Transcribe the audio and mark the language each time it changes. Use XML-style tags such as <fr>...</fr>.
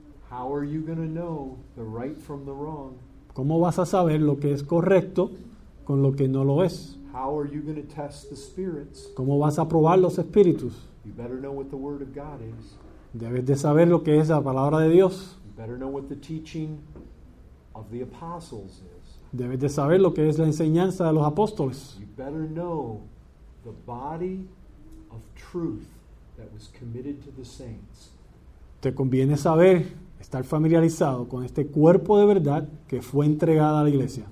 <en>How are you going to know the right from the wrong?</en> <es>¿Cómo vas a saber lo que es correcto con lo que no lo es?</es> <en>How are you going to test the spirits?</en> <es>¿Cómo vas a probar los espíritus?</es> <en>You better know what the word of God is.</en> <es>Debes de saber lo que es la palabra de Dios.</es> <en>You better know what the teaching of the apostles is.</en> <es>Debes de saber lo que es la enseñanza de los apóstoles.</es> <en>You better know the body of truth that was committed to the saints.</en> <es>Te conviene saber, estar familiarizado con este cuerpo de verdad que fue entregado a la iglesia.</es>